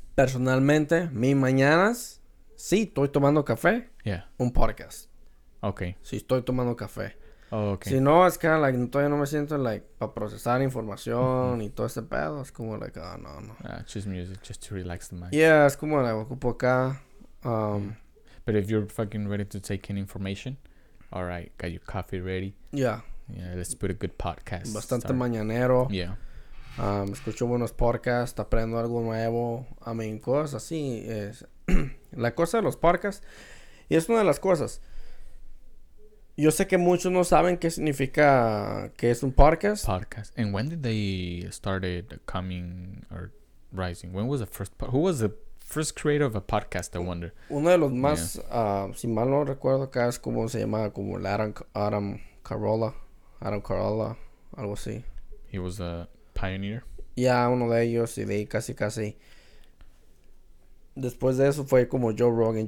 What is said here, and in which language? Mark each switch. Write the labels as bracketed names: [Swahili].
[Spanish] Personalmente, mis mañanas. Sí, estoy tomando café. Un podcast. [English] Okay. [Spanish] Si estoy tomando café. [English] Oh, okay. [Spanish] Si no, es que like, todavía no me siento like para procesar información y todo ese pedo. Es como like, oh, no. [English] Just music, just to relax the mind. [Spanish] Yeah, es como like, ocupo acá. [English] But if you're fucking ready to take in information, all right, got your coffee ready. Yeah, let's put a good podcast. [Spanish] Bastante start. Mañanero. [English] Yeah. [Spanish] Escucho buenos podcasts, aprendo algo nuevo. [English] I mean, [Spanish] cosas así. Es la cosa de los podcasts. Y es una de las cosas. Yo sé que muchos no saben qué significa que es un podcast. Podcast. [English] And when did they started coming or rising? When was the first who was the first creator of a podcast, I wonder? [Spanish] Uno de los más, si mal no recuerdo acá, es como se llamaba, como el Adam Carolla, algo así. [English] He was a pioneer? [Spanish] Yeah, uno de ellos, y de ahí casi. Después de eso fue como Joe Rogan.